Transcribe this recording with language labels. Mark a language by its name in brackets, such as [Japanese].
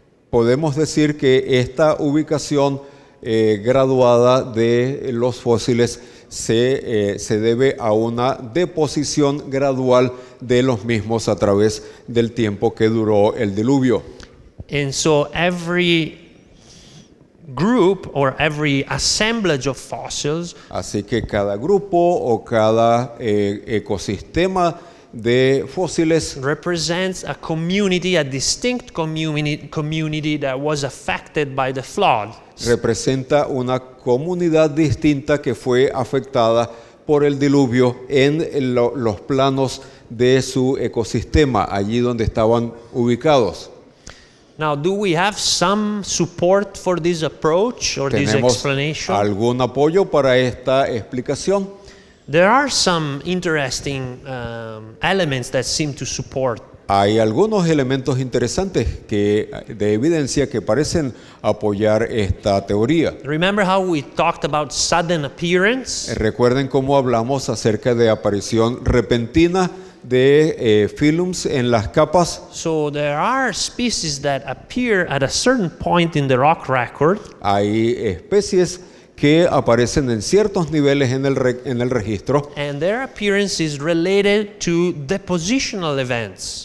[Spanish] Podemos decir que esta ubicación graduada de los fósiles se debe a una deposición gradual de los mismos a través del tiempo que duró el diluvio. [English] And so every group or every assemblage of fossils, [Spanish] así que cada grupo o cada ecosistema de fósiles, [English] represents a community, a distinct community that was affected by the flood. [Spanish] Representa una comunidad distinta que fue afectada por el diluvio en los planos de su ecosistema, allí donde estaban ubicados. [English] Now, do we have some support for this approach or this explanation? [Spanish] ¿Algún apoyo para esta explicación? [English] There are some interesting elements that seem to support. [Spanish] Hay algunos elementos interesantes de evidencia que parecen apoyar esta teoría. [English] Remember how we talked about sudden appearance? [Spanish] Recuerden cómo hablamos acerca de aparición repentina de filums en las capas. [English] So there are species that appear at a certain point in the rock record. [Spanish] Hay especies que aparecen en ciertos niveles en el registro. [English] And their appearance is related to depositional events.